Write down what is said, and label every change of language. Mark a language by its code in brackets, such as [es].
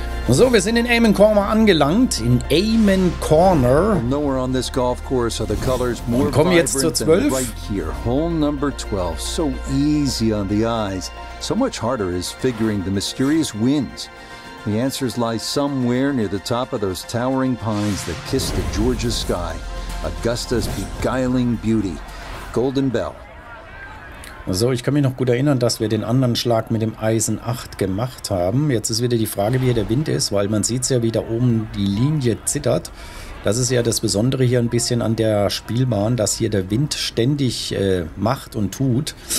[de] So, wir sind in Amen Corner angelangt, in Amen Corner. [en] Nowhere on this golf course are the colors more vibrant than right here. Hole number 12, so easy on the eyes. So much harder is figuring the mysterious winds. The answers lie somewhere near the top of those towering pines that kiss the Georgia sky. Augusta's beguiling beauty, Golden Bell. [de] So, ich kann mich noch gut erinnern, dass wir den anderen Schlag mit dem Eisen 8 gemacht haben. Jetzt ist wieder die Frage, wie hier der Wind ist, weil man sieht es ja, wie da oben die Linie zittert. Das ist ja das Besondere hier ein bisschen an der Spielbahn, dass hier der Wind ständig macht und tut.